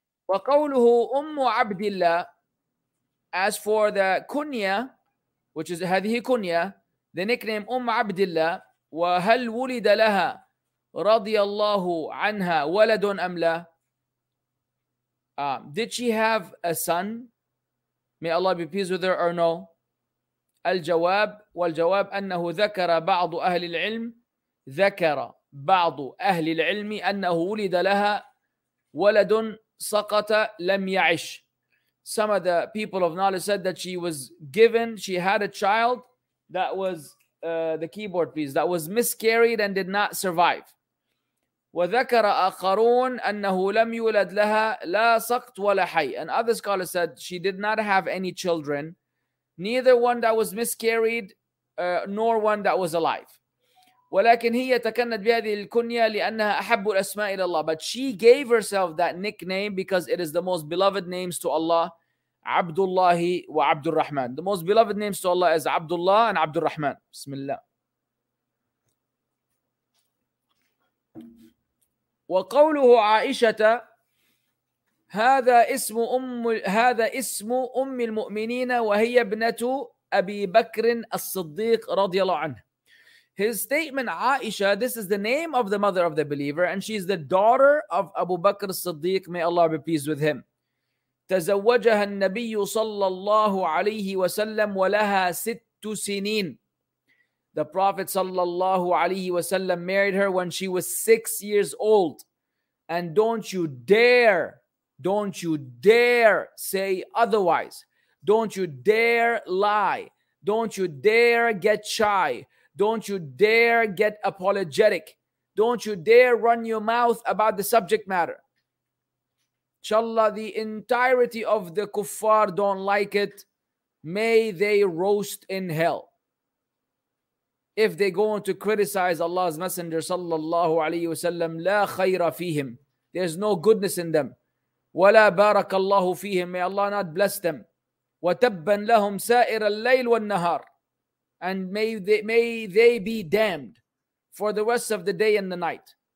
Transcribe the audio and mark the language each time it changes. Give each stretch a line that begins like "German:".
Arabic: وَقَوْلُهُ أُمُّ عَبْدِ اللَّهِ,
English: as for the kunya, which is
Arabic: هذه
English: kunya, the nickname
Arabic: أُمُّ عَبْدِ اللَّهِ, وَهَلْ وُلِدَ لَهَا رضي الله عنها ولد أم لا.
English: Did she have a son? May Allah be pleased with her or no?
Arabic: الجواب, والجواب أنه ذكر بعض أهل العلم, ذكر بعض أهل العلم أنه ولد لها ولد سقط لم يعش.
English: Some of the people of knowledge said that she had a child that was the keyboard piece that was miscarried and did not survive.
Arabic: وذكر آخرون أنه لم يولد لها لا سقط ولا حي.
English: And other scholars said she did not have any children, neither one that was miscarried, nor one that was alive.
Arabic: ولكن هي تكنت بهذه الكنية لأنها أحب الأسماء إلى الله.
English: But she gave herself that nickname because it is the most beloved names to Allah, Abdullah and Abdul Rahman. The most beloved names to Allah is Abdullah and Abdul Rahman. Bismillah.
Arabic: وقوله عائشة هذا اسم أم المؤمنين وهي ابنة أبي بكر الصديق رضي الله عنه.
English: His statement, Aisha, this is the name of the mother of the believer, and she is the daughter of Abu Bakr as-Siddiq, may Allah be pleased with him.
Arabic: تزوجها النبي صلى الله عليه وسلم ولها ست سنين.
English: The Prophet صلى الله عليه وسلم married her when she was 6 years old. And don't you dare say otherwise. Don't you dare lie. Don't you dare get shy. Don't you dare get apologetic. Don't you dare run your mouth about the subject matter. Inshallah, the entirety of the kuffar don't like it. May they roast in hell. If they go on to criticize Allah's Messenger sallallahu alayhi wa sallam,
Arabic: لا خير فيهم.
English: There's no goodness in them.
Arabic: ولا بارك الله فيهم.
English: May Allah not bless them.
Arabic: وتبّن لهم سائر الليل والنهار.
English: And may they be damned for the rest of the day and the night.